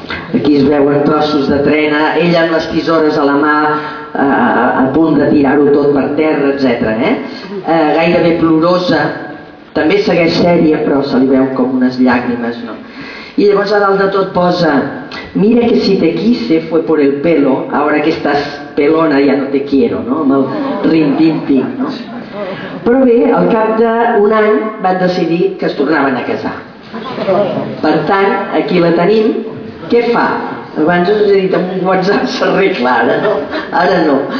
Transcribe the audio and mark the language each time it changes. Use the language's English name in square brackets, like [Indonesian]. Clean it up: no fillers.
[Catalan] aquí es veuen trossos de trena, ella amb les tisores a la mà, a punt de tirar-ho tot per terra, etc. Gairebé plorosa, també segueix sèrie, però se li veu com unes llàgrimes, no? I llavors a dalt de tot posa: [Spanish] mira que si te quise fue por el pelo, ahora que estás pelona ya no te quiero, no? [Catalan] Amb el rintintint, no? Però bé, al cap d'un any van decidir que es tornaven a casar. Per tant, aquí la tenim. Què fa? Abans us he dit, amb un WhatsApp s'arregla, ara no. Ara no.